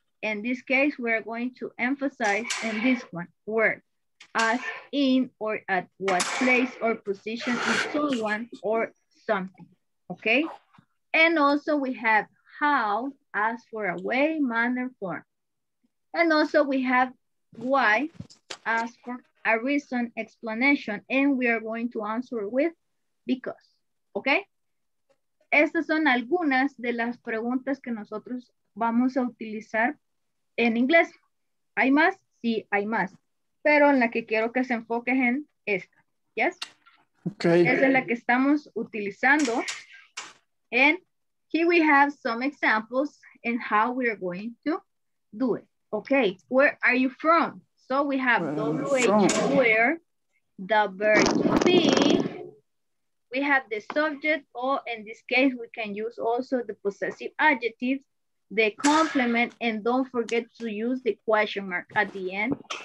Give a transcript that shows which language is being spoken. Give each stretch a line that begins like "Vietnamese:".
English: In this case, we're going to emphasize in this one, where, as in or at what place or position is someone or something, okay? And also we have how, as for a way, manner, form. And also we have why, as for a reason, explanation, and we are going to answer with because, okay?
Spanish: Estas son algunas de las preguntas que nosotros vamos a utilizar en inglés. ¿Hay más? Sí, hay más. Pero en la que quiero que se enfoquen en esta. ¿Yes? Okay. Esa es la que estamos utilizando.
English: And here we have some examples and how we are going to do it. Okay. Where are you from? So we have where, the verb to be. We have the subject, or in this case, we can use also the possessive adjectives, the complement, and don't forget to use the question mark at the end.